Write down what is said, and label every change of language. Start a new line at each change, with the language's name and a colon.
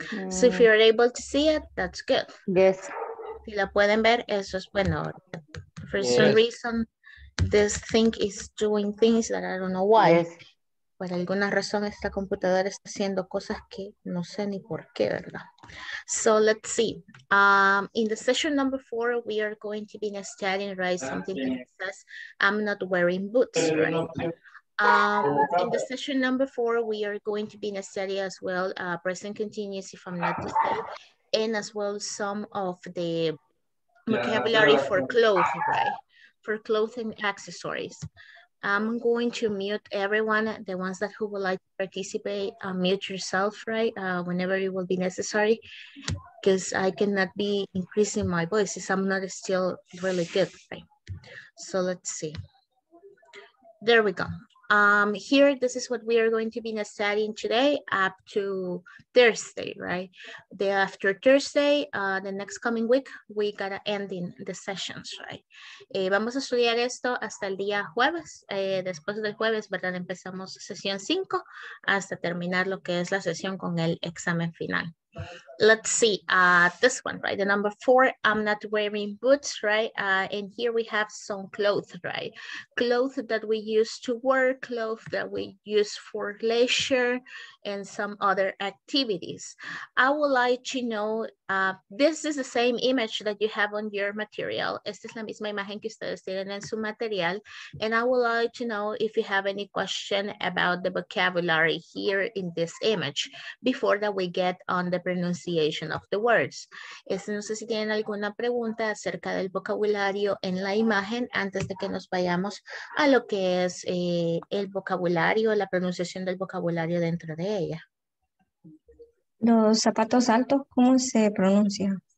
English: So if you're able to see it, that's good. Yes.
Spanish: Si la pueden ver, eso es bueno.
English: For some reason, this thing is doing things that I don't know why. Yes.
Spanish: Por alguna razón esta computadora está haciendo cosas que no sé ni por qué, ¿verdad?
English: So let's see. In the session number 4, we are going to be studying, right? Something that says, I'm not wearing boots, right? In the session number 4, we are going to be studying as well, present continuous, if I'm not mistaken, and as well some of the vocabulary for clothing, right? For clothing accessories. I'm going to mute everyone, the ones that who would like to participate, mute yourself, right, whenever it will be necessary, because I cannot be increasing my voice, I'm not still really good, right? So let's see. There we go. Here, this is what we are going to be studying today up to Thursday, right? The after Thursday, the next coming week, we got to end in the sessions, right?
Spanish: Vamos a estudiar esto hasta el día jueves. Después del jueves, ¿verdad? Empezamos sesión 5 hasta terminar lo que es la sesión con el examen final.
English: Let's see this one, right? The number 4, I'm not wearing boots, right? And here we have some clothes, right? Clothes that we use to work, clothes that we use for leisure and some other activities. I would like to know, this is the same image that you have on your material.
Spanish: Esta es la misma imagen que ustedes tienen en su material.
English: And I would like to know if you have any question about the vocabulary here in this image before that we get on the pronunciation of the words.
Spanish: No sé si tienen alguna pregunta acerca del vocabulario en la imagen antes de que nos vayamos a lo que es el vocabulario, la pronunciación del vocabulario dentro de ella. Los zapatos altos, ¿cómo se pronuncia?